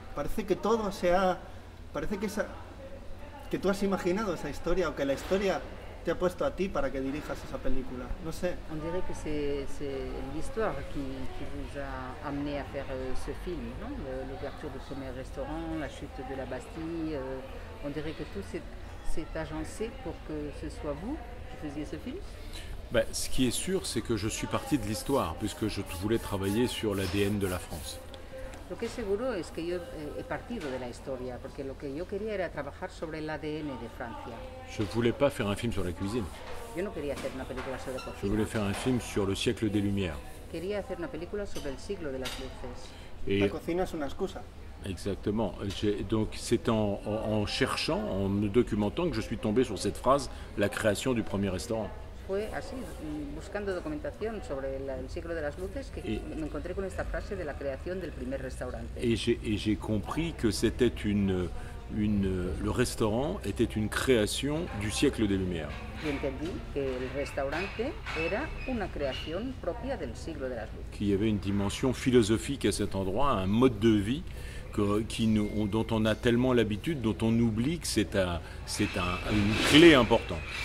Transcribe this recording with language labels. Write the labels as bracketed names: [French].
[Spanish] Parece que todo sea. Parece que tú has imaginado esa historia o que la historia te ha puesto a ti para que dirijas esa película. No sé. [French] On dirait que c'est l'histoire qui vous a amené à faire ce film, non? L'ouverture du premier restaurant, la chute de la Bastille. On dirait que tout s'est agencé pour que ce soit vous qui faisiez ce film ? Ben, ce qui est sûr, c'est que je suis parti de l'histoire, puisque je voulais travailler sur l'ADN de la France. [Spanish] Lo que seguro es que yo he partido de la historia, porque lo que yo quería era trabajar sobre el ADN de Francia. [French] Je voulais pas faire un film sur la cuisine. [Spanish] Yo no quería hacer una película sobre la cocina. [French] Je voulais faire un film sur le siècle des Lumières. [Spanish] Quería hacer una película sobre el siglo de las luces. [French] Et [Spanish] la cocina es una excusa. [French] Exactement. Donc c'est en cherchant, en me documentant, que je suis tombé sur cette phrase, la création du premier restaurant. Fue así, buscando documentación sobre el siglo de las luces, que me encontré con esta frase de la creación del primer restaurante. [Spanish] Y [French] j'ai compris que c'était le restaurant était une création du siècle des Lumières. [Spanish] Y entendí que el restaurante era una creación propia del siglo de las luces. [French] Qu'il y avait une dimension philosophique à cet endroit, un mode de vie dont on a tellement l'habitude, dont on oublie que c'est une clé importante.